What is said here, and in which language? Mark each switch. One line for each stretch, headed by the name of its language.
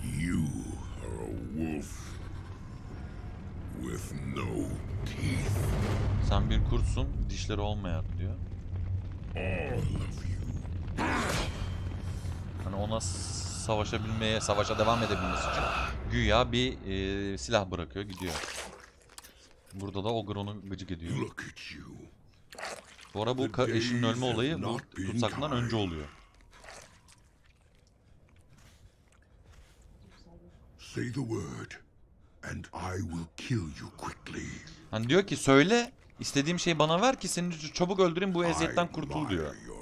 English: You are a wolf with no teeth.
Turkish: Sen bir kurtsun, dişleri olmayan diyor.
English: All of you.
Turkish: Hani ona savaşabilmeye, savaşa devam edebilmesi için güya bir silah bırakıyor, gidiyor. Burada da Ogre onu gıcık ediyor.
English: Look at you.
Turkish: Bu ara bu eşinin ölme olayı tutsaklından önce oluyor.
English: Say the word and I will kill you quickly.
Turkish: Hani diyor ki söyle, istediğim şeyi bana ver ki seni çabuk öldüreyim, bu eziyetten kurtul diyor.